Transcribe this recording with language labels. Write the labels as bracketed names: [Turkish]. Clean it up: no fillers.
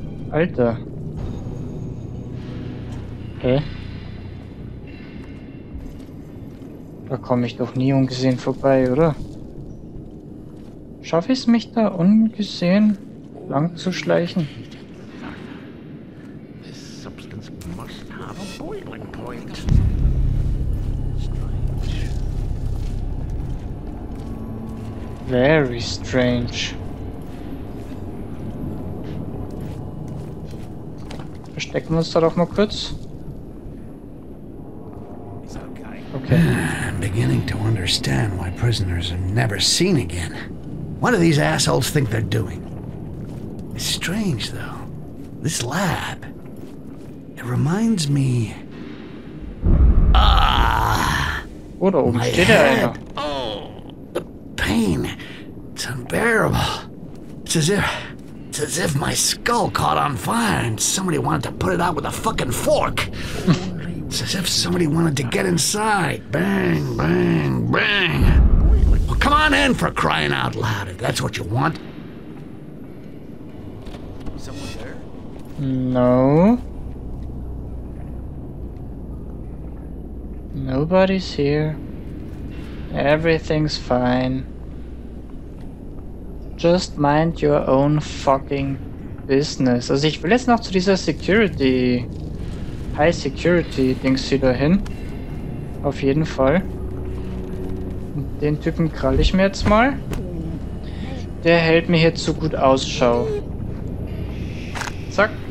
[German] Alter. Hä? Da komme ich doch nie ungesehen vorbei, oder? Schaffe ich es, mich da ungesehen lang zu schleichen. [English] This substance must have a boiling point. Very strange. Verstecken wir uns da doch mal kurz. Okay. I'm beginning to understand why prisoners are never seen again. What do these assholes think they're doing? It's strange, though. This lab. It reminds me. What a my did head. The pain. It's unbearable. It's as if my skull caught on fire and somebody wanted to put it out with a fucking fork. It's as if somebody wanted to get inside. Bang, bang, bang. Well, come on in for crying out loud, if that's what you want. Someone there? No. Nobody's here. Everything's fine. Just mind your own fucking business. [German] Also ich will jetzt noch zu dieser Security, High Security Dings wieder hin. Auf jeden Fall. Den Typen kralle ich mir jetzt mal. Der hält mir hier zu gut Ausschau. Zack.